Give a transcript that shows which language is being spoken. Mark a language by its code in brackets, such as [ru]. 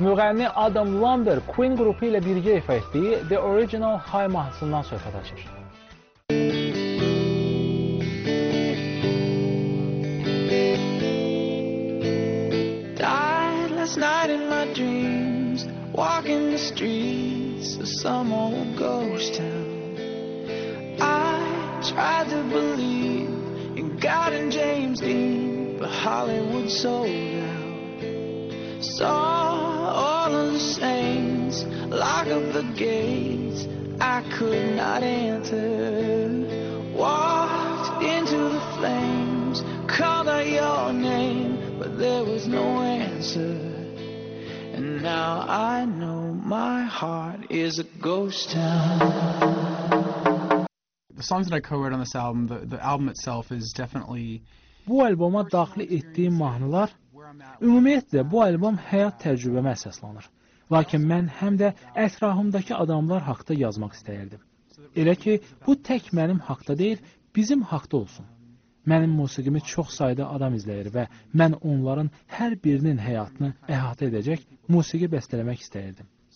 [az] Müğənni Adam Lambert Queen qrupu ilə birgə ifa etdiyi The Original High mahnısından söhbət açır. [en] Walking the streets of some old ghost town. I tried to believe in God and James Dean, but Hollywood sold out. Saw all of the saints lock up the gates I could not enter. Walked into the flames, called out your name, but there was no answer. Now I know my heart is a ghost town. The songs that I co-wrote on this album, the album itself is definitely. [az] Bu albuma daxil etdiyim mahnılar, ümumiyyətlə bu albom həyat təcrübəmə əsaslanır. Lakin mən həm də ətrafımdakı adamlar haqqında yazmaq istəyirdim. Elə ki, bu tək mənim haqqında deyil, bizim haqqında olsun. Mənim musiqimi çox sayda adam izləyir və mən onların hər birinin həyatını əhatə edəcək musiqi bəstələmək istəyirdim.